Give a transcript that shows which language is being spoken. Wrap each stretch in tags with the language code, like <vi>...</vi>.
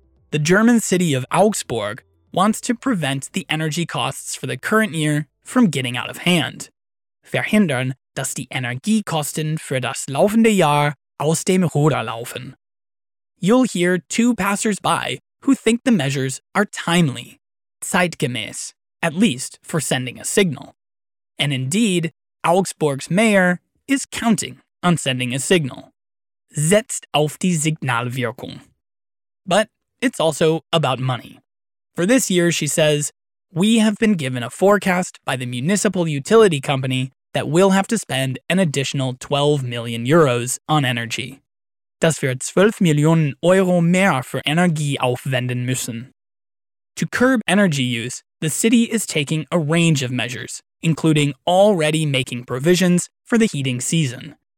<en>The German city of Augsburg wants to prevent the energy costs for the current year from getting out of hand.</en> <de>Verhindern, dass die Energiekosten für das laufende Jahr aus dem Ruder laufen.</de> <en>You'll hear two passers-by who think the measures are timely, zeitgemäß, at least for sending a signal. And indeed, Augsburg's mayor is counting on sending a signal.</en> <de>Setzt auf die Signalwirkung.</de> <en>But it's also about money. For this year, she says, we have been given a forecast by the municipal utility company that we'll have to spend an additional 12 million euros on energy.</en> <de>Dass wir 12 Millionen Euro mehr für Energie aufwenden müssen.</de> <en>To curb energy use, the city is taking a range of measures, including already making provisions for the heating season.</en>